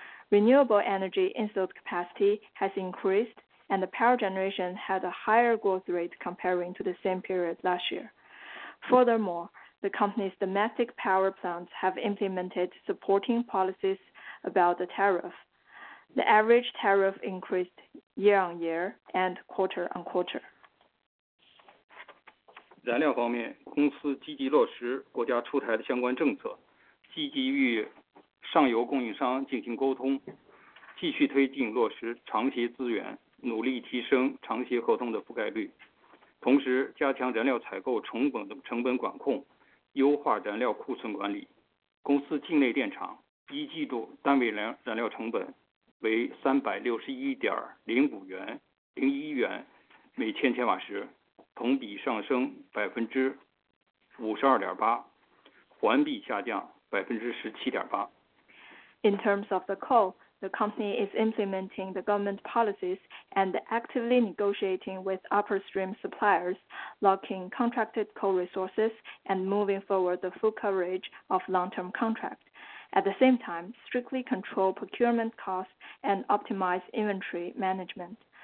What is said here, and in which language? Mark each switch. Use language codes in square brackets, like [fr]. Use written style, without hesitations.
[en] Renewable energy installed capacity has increased, and the power generation had a higher growth rate comparing to the same period last year. Furthermore, the company's domestic power plants have implemented supporting policies about the tariff. The average tariff increased year-on-year and quarter-on-quarter. [zh] 燃料方面，公司积极落实国家出台的相关政策，积极与上游供应商进行沟通，继续推进落实长协资源，努力提升长协合同的覆盖率，同时加强燃料采购成本管控，优化燃料库存管理。公司境内电厂一季度单位燃料成本为361.01元每千千瓦时，同比上升52.8%，环比下降17.8%。 [en] In terms of the coal, the company is implementing the government policies and actively negotiating with upstream suppliers, locking contracted coal resources and moving forward the full coverage of long-term contract. At the same time, strictly control procurement costs and optimize inventory management.